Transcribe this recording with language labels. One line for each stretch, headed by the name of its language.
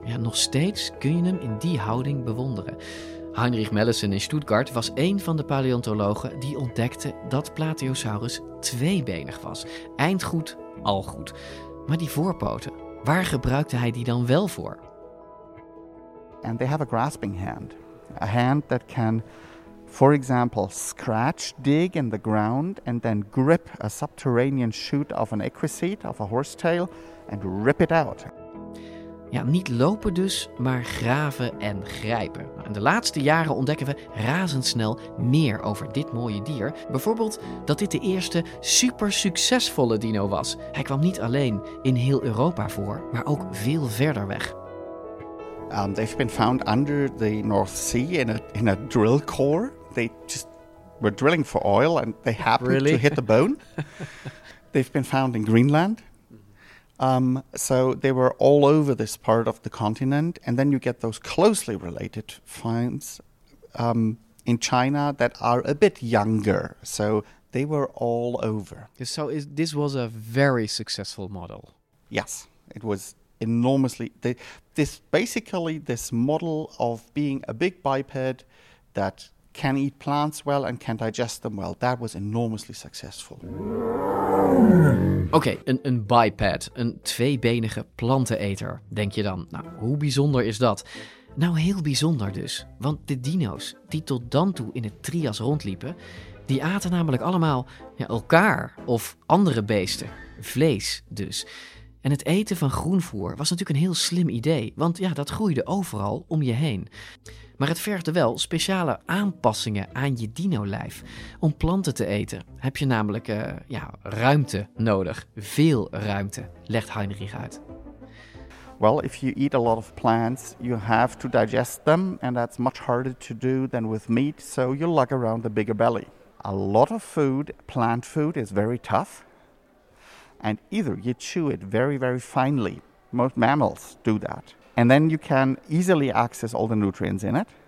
Dutch: Ja, nog steeds kun je hem in die houding bewonderen. Heinrich Mellissen in Stuttgart was een van de paleontologen die ontdekte dat Plateosaurus tweebenig was. Eindgoed, al goed. Maar die voorpoten, waar gebruikte hij die dan wel voor?
English: And they have a grasping hand. A hand that can, for example, scratch, dig in the ground and then grip a subterranean shoot of an equisete, of a horsetail. And rip it out.
Dutch: Ja, Ja, niet lopen dus, maar graven en grijpen. In de laatste jaren ontdekken we razendsnel meer over dit mooie dier. Bijvoorbeeld dat dit de eerste super succesvolle dino was. Hij kwam niet alleen in heel Europa voor, maar ook veel verder weg.
English: They've been found under the North Sea in a drill core. They just were drilling for oil and they happened really? To hit the bone. They've been found in Greenland. So they were all over this part of the continent. And then you get those closely related finds in China that are a bit younger. So they were all over. So this was a very successful model. Yes, it was enormously. This model of being a big biped that can eat plants well and can digest them well, that was enormously successful.
Dutch: Oké, een biped, een tweebenige planteneter, denk je dan. Nou, hoe bijzonder is dat? Nou, heel bijzonder dus. Want de dino's die tot dan toe in het Trias rondliepen, die aten namelijk allemaal elkaar of andere beesten. Vlees dus. En het eten van groenvoer was natuurlijk een heel slim idee, want ja, dat groeide overal om je heen. Maar het vergde wel speciale aanpassingen aan je dino-lijf. Om planten te eten heb je namelijk ruimte nodig. Veel ruimte, legt Heinrich uit.
English: Well, if you eat a lot of plants, you have to digest them. And that's much harder to do than with meat. So you lug around a bigger belly. A lot of food, plant food, is very tough. And either you chew it very, very finely. Most mammals do that. And then you can easily access all the nutrients in it.